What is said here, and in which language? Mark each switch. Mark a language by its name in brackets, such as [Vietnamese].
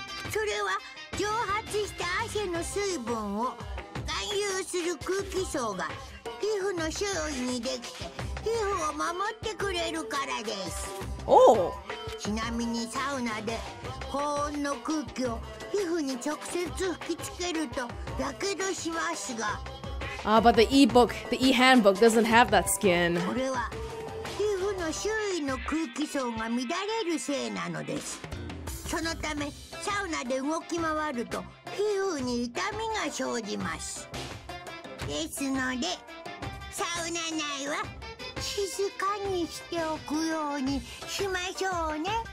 [Japanese] それは蒸発した汗の水分を含有する空気層が皮膚の周囲にできて皮膚を守ってくれるからです。おお。ちなみにサウナで高温の空気を皮膚に直接吹きつけるとやけどしますが。 [English] But the e-book, the e-handbook doesn't have that skin. [Japanese] これは皮膚の周囲の空気層が乱れるせいなのです。そのためサウナで動き回ると皮膚に痛みが生じます。ですので、サウナ内は静かにしておくようにしましょうね。